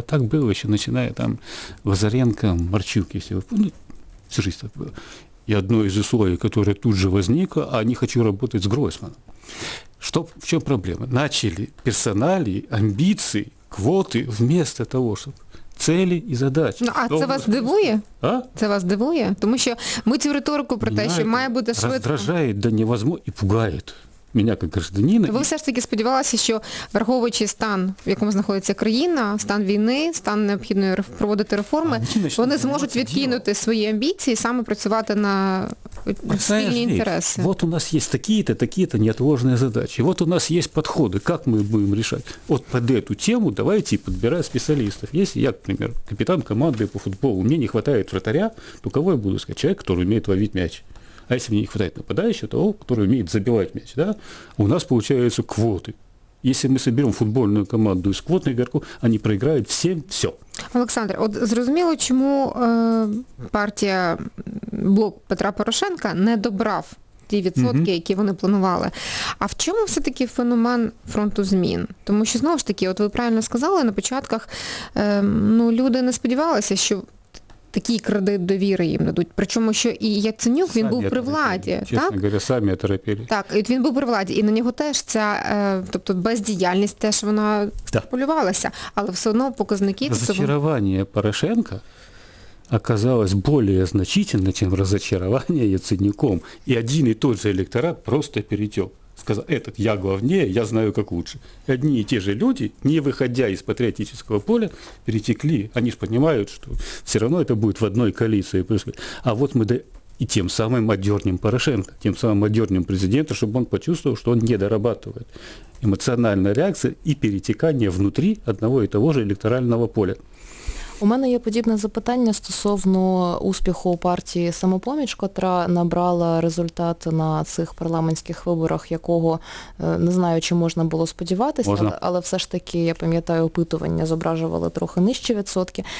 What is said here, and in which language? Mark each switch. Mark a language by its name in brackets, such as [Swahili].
[Russian] Так было еще, начиная там Лазаренко, Марчук, если вы помните, всю жизнь так было. И одно из условий, которое тут же возникло, а не хочу работать с Гройсманом. Что, в чем проблема? Начали персонали, амбиции, квоты вместо того, чтобы цели і задачі. [Ukrainian] Ну, а добре. Це вас дивує? А? Це вас дивує? Тому що ми цю риторику про те, що має бути швидко. Роздражає [Russian] до невозможного [Ukrainian] і пугає мене як громадянина. Ви все ж таки сподівалися, що враховуючи стан, в якому знаходиться країна, стан війни, стан необхідної проводити реформи, вони зможуть відкинути свої амбіції, саме працювати на спільні інтереси. От у нас є такі-то, такі-то неотложні задачі. От у нас є підходи, як ми будемо рішати. От під цю тему давайте і підбирати спеціалістів. Якщо я, наприклад, капітан команди по футболу, мені не вистачає вратаря, то кого я буду сказати? Чоловік, який вміє ловити м'яч. [Russian] А если мне не хватает нападающего, того, который умеет забивать мяч, да, у нас получаются квоты. Если мы соберем футбольную команду из квотных игроков, они проиграют всем все. [Ukrainian] Олександр, от зрозуміло, чому партія блок Петра Порошенка не добрав ті відсотки, які вони планували. А в чому все-таки феномен фронту змін? Тому що, знову ж таки, от ви правильно сказали, на початках люди не сподівалися, що такий кредит довіри їм дадуть. Причому, що і Яценюк, він був при владі. Чесно говоря, самі торопили. Так, і він був при владі, і на нього теж ця тобто бездіяльність теж вона полювалася. Але все одно показники... [Russian] Розчарування Порошенка оказалось более значительно, чем разочарование Яценюком. И один и тот же электорат просто перетек. Сказал, этот я главнее, я знаю, как лучше. И одни и те же люди, не выходя из патриотического поля, перетекли. Они же понимают, что все равно это будет в одной коалиции. А вот мы и тем самым отдернем Порошенко, тем самым отдернем президента, чтобы он почувствовал, что он не дорабатывает. Эмоциональная реакция и перетекание внутри одного и того же электорального поля. [Ukrainian] У мене є подібне запитання стосовно успіху партії «Самопоміч», котра набрала результат на цих парламентських виборах, якого, не знаю, чи можна було сподіватися, але все ж таки, я пам'ятаю, опитування зображували трохи нижчі відсотки.